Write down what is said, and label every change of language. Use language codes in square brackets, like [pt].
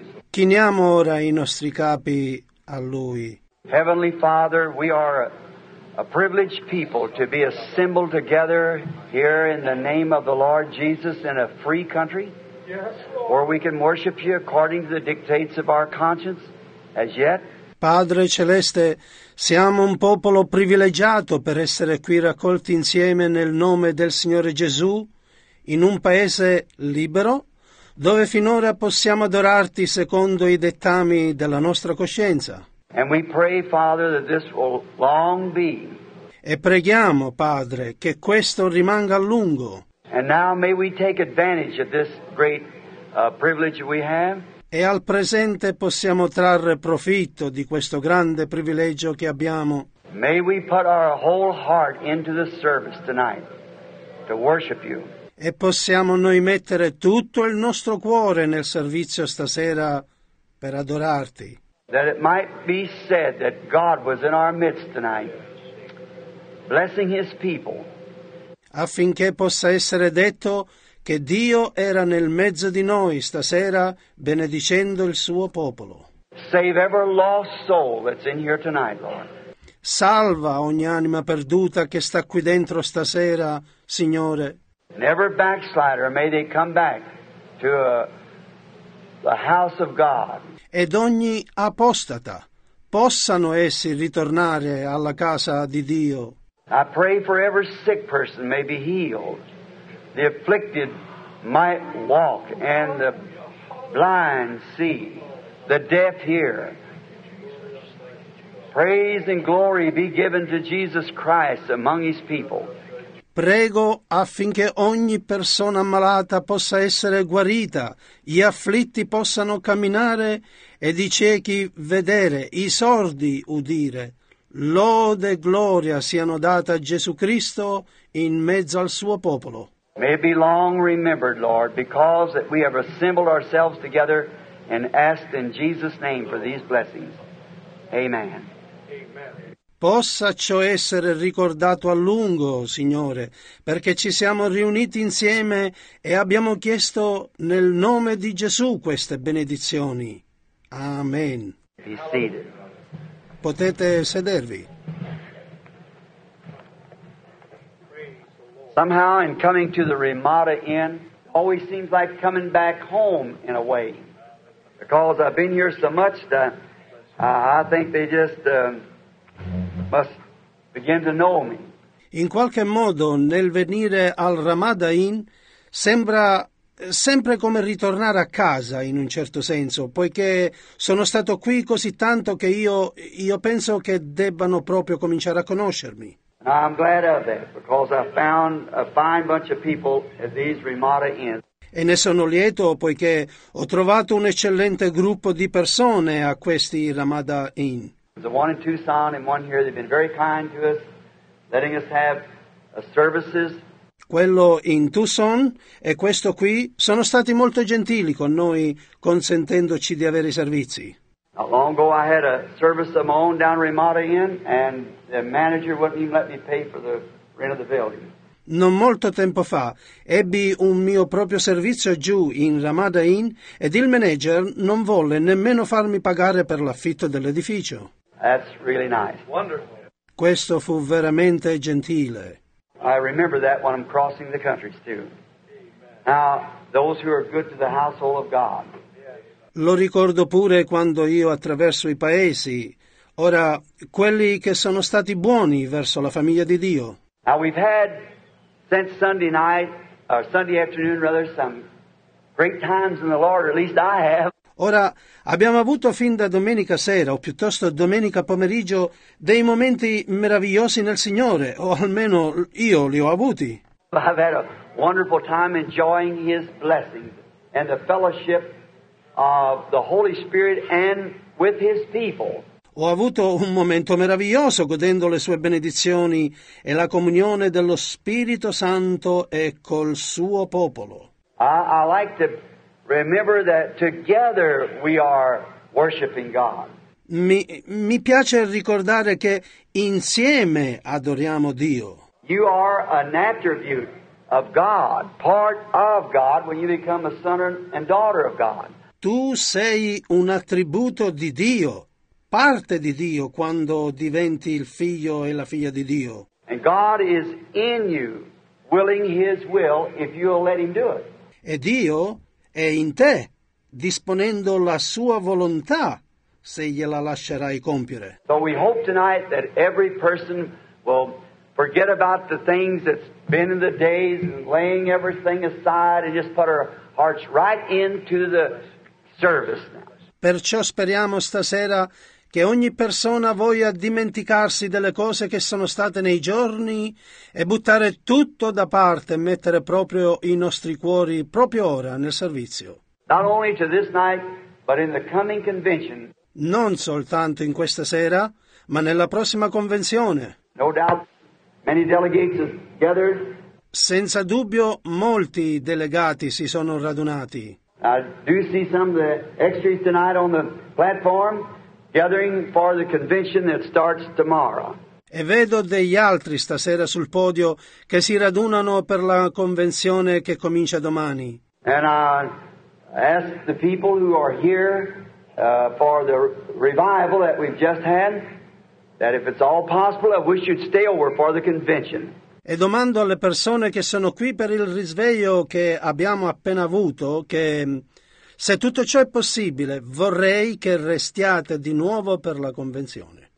[it] Chiniamo ora i nostri capi a Lui. [en] Heavenly Father, we are a privileged people to be assembled together here in the name of the Lord Jesus in a free country, where we can worship You according to the dictates of our conscience as yet. [it] Padre Celeste, siamo un popolo privilegiato per essere qui raccolti insieme nel nome del Signore Gesù, in un paese libero, dove finora possiamo adorarti secondo i dettami della nostra coscienza. [en] And we pray, Father, that this will long be. [it] E preghiamo, Padre, che questo rimanga a lungo. [en] And now may we take advantage of this great privilege we have. [it] E al presente possiamo trarre profitto di questo grande privilegio che abbiamo. [en] May we put our whole heart into the service tonight to worship you. [it] E possiamo noi mettere tutto il nostro cuore nel servizio stasera per adorarti. [en] That it might be said that God was in our midst tonight, blessing His people. [it] Affinché possa essere detto che Dio era nel mezzo di noi stasera benedicendo il suo popolo. [en] Save every lost soul that's in here tonight, Lord. [it] Salva ogni anima perduta che sta qui dentro stasera, Signore. [en] Never backslider, may they come back to the house of God. [it] Ed ogni apostata possano essi ritornare alla casa di Dio. [en] I pray for every sick person may be healed. The afflicted might walk, and the blind see, the deaf hear. Praise and glory be given to Jesus Christ among His people. [it] Prego affinché ogni persona malata possa essere guarita, gli afflitti possano camminare, ed i ciechi vedere, i sordi udire. Lode e gloria siano date a Gesù Cristo in mezzo al suo popolo. [en] May it be long remembered, Lord, because that we have assembled ourselves together and asked in Jesus' name for these blessings. Amen. [it] Possa ciò essere ricordato a lungo, Signore, perché ci siamo riuniti insieme e abbiamo chiesto nel nome di Gesù queste benedizioni. Amen. [en] Be seated. [it] Potete sedervi. [en] Somehow in coming to the Ramada Inn, always seems like coming back home in a way. Because I've been here so much that I think they just must begin to know me. [it] In qualche modo nel venire al Ramada Inn sembra sempre come ritornare a casa in un certo senso, poiché sono stato qui così tanto che io penso che debbano proprio cominciare a conoscermi. [en] I'm glad of that because I found a fine bunch of people at these Ramada Inns. [it] E ne sono lieto poiché ho trovato un eccellente gruppo di persone a questi Ramada Inn. [en] The one in Tucson and one here, they've been very kind to us, letting us have services. [it] Quello in Tucson e questo qui sono stati molto gentili con noi, consentendoci di avere i servizi. [en] Not long ago I had a service of my own down Ramada Inn and the manager wouldn't even let me pay for the rent of the building. [it] Non molto tempo fa ebbi un mio proprio servizio giù in Ramada Inn ed il manager non volle nemmeno farmi pagare per l'affitto dell'edificio. [en] That's really nice. Wonderful. [it] Questo fu veramente gentile. [en] I remember that when I'm crossing the countries too. Now, those who are good to the household of God. [it] Lo ricordo pure quando io attraverso i paesi. Ora, quelli che sono stati buoni verso la famiglia di Dio. [en] Now we've had, since Sunday night, or Sunday afternoon rather, some great times in the Lord, or at least I have. [it] Ora, abbiamo avuto fin da domenica sera, o piuttosto domenica pomeriggio, dei momenti meravigliosi nel Signore, o almeno io li ho avuti. [en] I've had a wonderful time enjoying His blessings and the fellowship of the Holy Spirit and with His people. [it] Ho avuto un momento meraviglioso godendo le sue benedizioni e la comunione dello Spirito Santo e col suo popolo. [en] I like to remember that together we are worshiping God. [it] Mi piace ricordare che insieme adoriamo Dio. [en] You are an attribute of God, part of God when you become a son and daughter of God. [it] Tu sei un attributo di Dio, parte di Dio quando diventi il figlio e la figlia di Dio. [en] And God is in you, willing His will if you'll let Him do it. [it] E Dio è in te, disponendo la sua volontà, se gliela lascerai compiere. [en] So we hope tonight that every person will forget about the things that's been in the days and laying everything aside and just put our hearts right into the service now. [it] Perciò speriamo stasera che ogni persona voglia dimenticarsi delle cose che sono state nei giorni e buttare tutto da parte e mettere proprio i nostri cuori proprio ora nel servizio. [en] Not only to this night, but in the coming convention. [it] Non soltanto in questa sera, ma nella prossima convenzione. [en] No doubt, many delegates have gathered. [it] Senza dubbio, molti delegati si sono radunati. [en] I do see some of the extras tonight on the platform. Gathering for the convention that starts tomorrow. [it] E vedo degli altri stasera sul podio che si radunano per la convenzione che comincia domani. [en] And I ask the people who are here for the revival that we've just had, that if it's all possible, I wish you'd stay over for the convention. [it] E domando alle persone che sono qui per il risveglio che abbiamo appena avuto che, se tutto ciò è possibile, vorrei che restiate di nuovo per la convenzione.